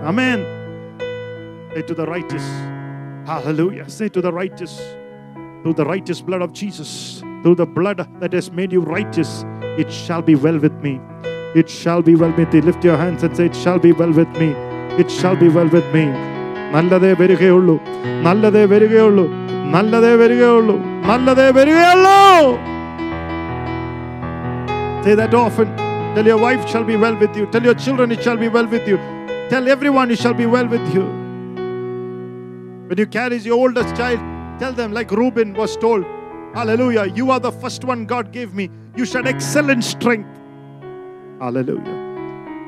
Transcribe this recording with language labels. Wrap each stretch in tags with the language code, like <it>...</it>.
<en>Amen. Say to the righteous. Hallelujah. Say to the righteous. Through the righteous blood of Jesus. Through the blood that has made you righteous. It shall be well with me. It shall be well with thee. Lift your hands and say, it shall be well with me. It shall be well with me.</en> <ml>നല്ലതേ വരികയുള്ളൂ, നല്ലതേ വരികയുള്ളൂ, നല്ലതേ വരികയുള്ളൂ, നല്ലതേ വരികയുള്ളൂ.</ml> <en>Say that often. Tell your wife shall be well with you. Tell your children it shall be well with you. Tell everyone it shall be well with you. When you carry your oldest child, tell them like Reuben was told, hallelujah, you are the first one God gave me. You shall excel in strength. Hallelujah.</en>